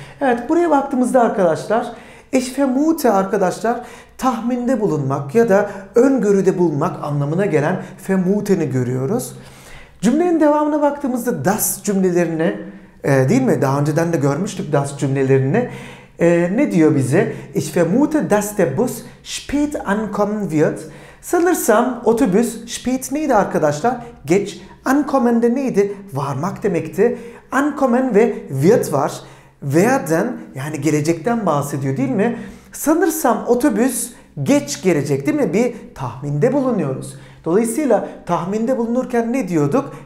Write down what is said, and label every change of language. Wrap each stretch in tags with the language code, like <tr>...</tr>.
<tr>Evet, buraya baktığımızda arkadaşlar,</tr> <de>ich vermute</de> <tr>arkadaşlar, tahminde bulunmak ya da öngörüde bulunmak anlamına gelen vermute'ni görüyoruz. Cümlenin devamına baktığımızda das cümlelerini, değil mi? Daha önceden de görmüştük das cümlelerini. Ne diyor bize?</tr> <de>Ich vermute, dass der Bus spät ankommen wird.</de> <tr>Sanırsam otobüs, spät neydi arkadaşlar? Geç. Ankommen de neydi? Varmak demekti. Ankommen ve wird var. Werden, yani gelecekten bahsediyor değil mi? Sanırsam otobüs geç gelecek değil mi? Bir tahminde bulunuyoruz. Dolayısıyla tahminde bulunurken ne diyorduk?</tr>